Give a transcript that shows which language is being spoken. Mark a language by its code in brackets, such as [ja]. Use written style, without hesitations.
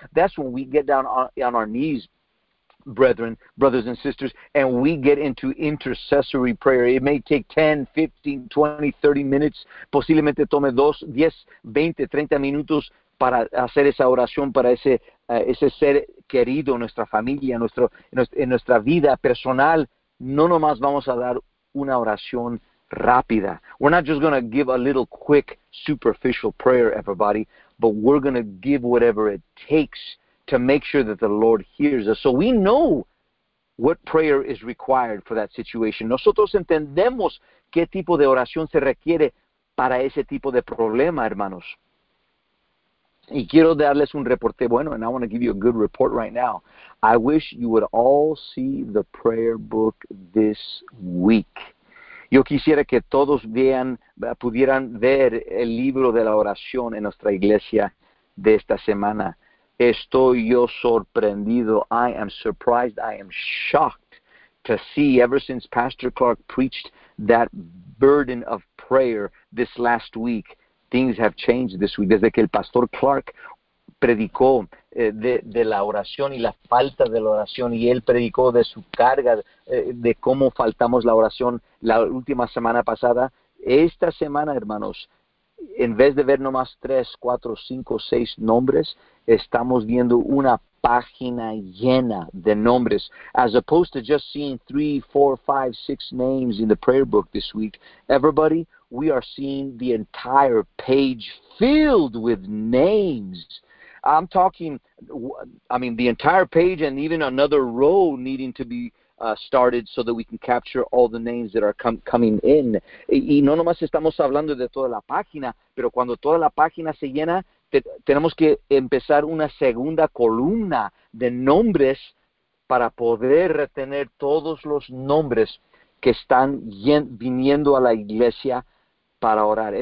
[en] That's when we get down on our knees, brethren, brothers and sisters, and we get into intercessory prayer. It may take 10, 15, 20, 30 minutes. [es] Posiblemente tome 2, 10, 20, 30 minutos para hacer esa oración para ese ser querido, nuestra familia, en nuestra vida personal. No nomás vamos a dar una oración rápida. [en] We're not just going to give a little quick, superficial prayer, everybody, but we're going to give whatever it takes to make sure that the Lord hears us. So we know what prayer is required for that situation. [es] Nosotros entendemos qué tipo de oración se requiere para ese tipo de problema, hermanos. Y quiero darles un reporte bueno, [en] and I want to give you a good report right now. I wish you would all see the prayer book this week. [es] Yo quisiera que todos pudieran ver el libro de la oración en nuestra iglesia de esta semana. Estoy yo sorprendido. [en] I am surprised. I am shocked to see, ever since Pastor Clark preached that burden of prayer this last week, things have changed this week. [es] Desde que el Pastor Clark predicó de la oración y la falta de la oración, y él predicó de su carga, de cómo faltamos la oración la última semana pasada, esta semana, hermanos, en vez de ver nomás 3, 4, 5, 6 nombres, estamos viendo una página llena de nombres. [en] As opposed to just seeing 3, 4, 5, 6 names in the prayer book this week, everybody, we are seeing the entire page filled with names. I'm talking, I mean, the entire page and even another row needing to be started so that we can capture all the names that are coming in. [es] Y no nomás estamos hablando de toda la página, pero cuando toda la página se llena, tenemos que empezar una segunda columna de nombres para poder retener todos los nombres que están viniendo a la iglesia para orar.